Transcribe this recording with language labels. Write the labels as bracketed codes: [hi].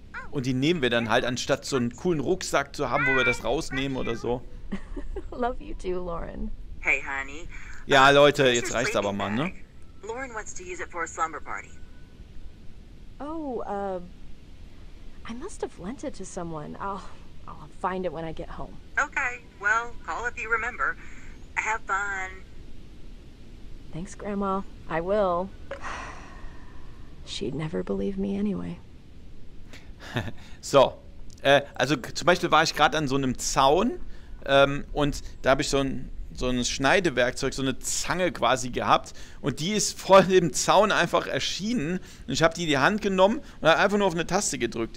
[de] Und die nehmen wir dann halt, anstatt so einen coolen Rucksack zu haben, wo wir das rausnehmen oder so. [en] Love you too, Lauren. Hey, honey. [de] Ja, Leute, jetzt reicht's aber mal, ne? [en] Lauren wants to use it for a slumber party. Oh, I must have lent it to someone. I'll find it when I get home. Okay, well, call if you remember. Have fun. Thanks, Grandma. I will. She'd never believe me anyway. [de] So, also zum Beispiel war ich gerade an so einem Zaun und da habe ich so ein Schneidewerkzeug, so eine Zange quasi gehabt und die ist vor dem Zaun einfach erschienen und ich habe die in die Hand genommen und habe einfach nur auf eine Taste gedrückt.